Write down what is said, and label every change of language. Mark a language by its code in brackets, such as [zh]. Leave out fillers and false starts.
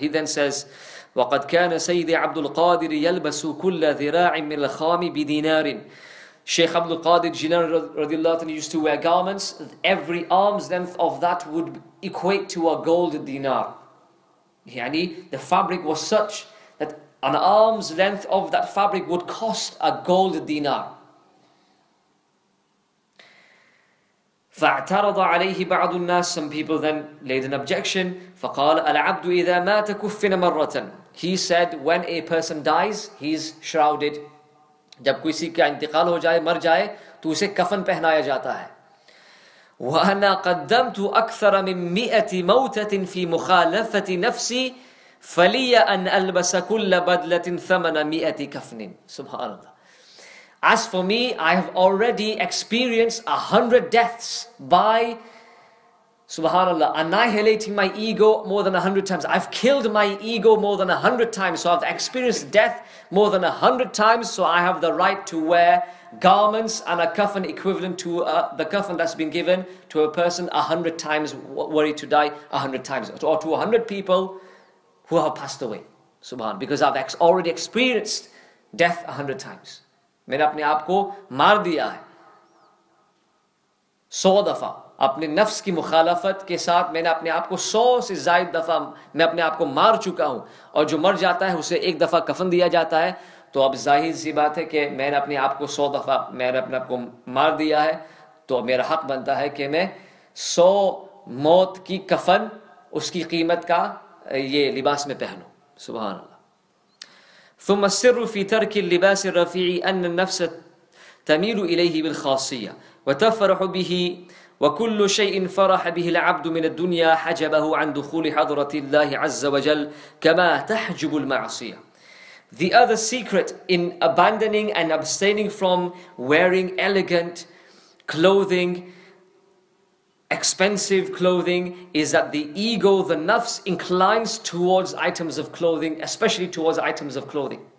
[en] He then says, [ar] وَقَدْ كَانَ سَيِّدِ عَبْدُ الْقَادِرِ يَلْبَسُ كُلَّ ذِرَاعٍ مِنْ الْخَامِ بِدِينَارٍ. [en] Shaykh Abdul Qadir Jilani radiallahu ta'ala used to wear garments. Every arm's length of that would equate to a gold dinar. Yani, the fabric was such an arm's length of that fabric would cost a gold dinar. [ar] فَاَعْتَرَضَ عَلَيْهِ بَعْضُ النَّاسِ. [en] Some people then laid an objection. [ar] فَقَالَ الْعَبْدُ إِذَا مَاتَ كُفِّنَ مَرَّةً. [en] He said, when a person dies, he's shrouded. [ur] جب کوئی سیکھ کا انتقال ہو جائے, مر جائے, تو اسے کفن پہنایا جاتا ہے. [ar] وَأَنَا قَدَّمْتُ أَكْثَرَ مِنْ مِئَةِ مَوْتَةٍ فِي مُخَالَفَةِ نَفْسِي فَلِيَ أَنْ أَلْبَسَ كُلَّ بَدْلَةٍ ثَمَنَ مِئَةِ كَفْنٍ. SubhanAllah. [en] As for me, I have already experienced 100 deaths by, SubhanAllah, annihilating my ego more than 100 times. I've killed my ego more than 100 times. So I've experienced death more than 100 times. So I have the right to wear garments and a kafan equivalent to the kafan that's been given to a person 100 times, worried to die 100 times. Or to 100 people who have passed away. SubhanAllah. Because I've already experienced death 100 times. [ur] Maine apne aap ko mar diya hai. 100 dafa. اپنے نفس کی مخالفت کے ساتھ میں نے اپنے آپ کو 100 سے زائد دفعہ میں اپنے آپ کو مار چکا ہوں اور جو مر جاتا ہے اسے ایک دفعہ کفن دیا جاتا ہے تو اب ظاہر سی بات ہے کہ میں نے اپنے آپ کو 100 دفعہ میں نے اپنے آپ کو مار دیا ہے تو میرا حق بنتا ہے کہ میں 100 موت کی کفن اس کی قیمت کا یہ لباس میں پہنوں سبحان اللہ [ar] ثم السر في ترك اللباس الرفيع ان النفس تميل اليه بالخاصيه وتفرح به وكل شيء فرح به العبد من الدنيا حجبه عن دخول حضرة الله عز وجل كما تحجب المعصية. [en] The other secret in abandoning and abstaining from wearing elegant clothing, expensive clothing, is that the ego, the nafs, inclines towards items of clothing, especially towards items of clothing.